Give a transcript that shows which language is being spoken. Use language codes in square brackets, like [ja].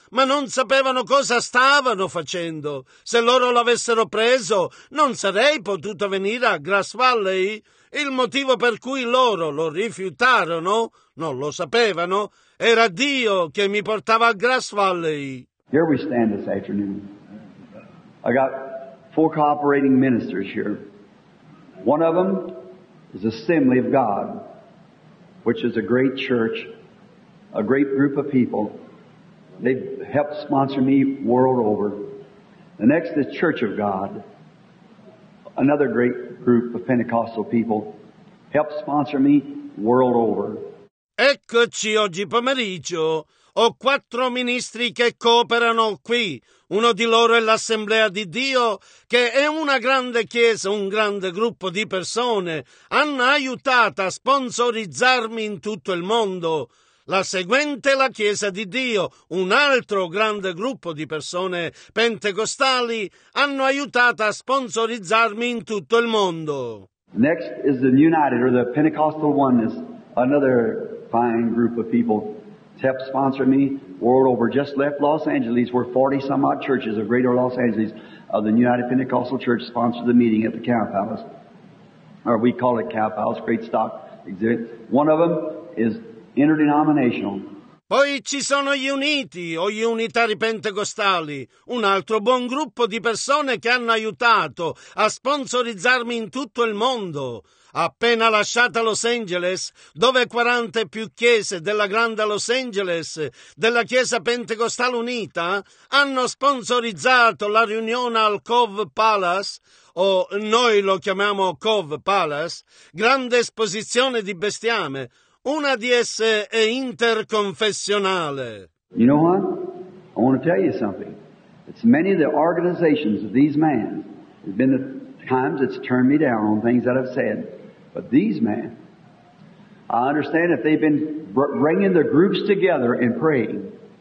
[it] Ma non sapevano cosa stavano facendo. Se loro l'avessero preso, non sarei potuto venire a Grass Valley. Il motivo per cui loro lo rifiutarono, non lo sapevano, era Dio che mi portava a Grass Valley. [en] Here we stand this afternoon. I got four cooperating ministers here. One of them is Assembly of God, which is a great church, a great group of people. They've helped sponsor me world over. The next is Church of God, another great group of Pentecostal people, helped sponsor me world over. [it] Eccoci oggi pomeriggio. Ho quattro ministri che cooperano qui. Uno di loro è l'Assemblea di Dio, che è una grande chiesa, un grande gruppo di persone. Hanno aiutato a sponsorizzarmi in tutto il mondo. La seguente è la Chiesa di Dio, un altro grande gruppo di persone pentecostali hanno aiutato a sponsorizzarmi in tutto il mondo. [en] Next is the United, or the Pentecostal Oneness, another fine group of people. TEP sponsored me world over, just left Los Angeles, where 40 some odd churches of greater Los Angeles of the United Pentecostal Church sponsored the meeting at the Cow Palace. Or we call it Cow Palace, Great Stock Exhibit. One of them is interdenominational. [it] Poi ci sono gli Uniti o gli Unitari Pentecostali, un altro buon gruppo di persone che hanno aiutato a sponsorizzarmi in tutto il mondo. Appena lasciata Los Angeles, dove 40 più chiese della grande Los Angeles, della Chiesa Pentecostale Unita, hanno sponsorizzato la riunione al Cove Palace, o noi lo chiamiamo Cove Palace, grande esposizione di bestiame. Una di esse è interconfessionale. [en] You know what? I want to tell you something. It's many of the organizations of these men. There's been the times it's turned me down on things that I've said. But these men, I understand that they've been bringing the groups together and praying.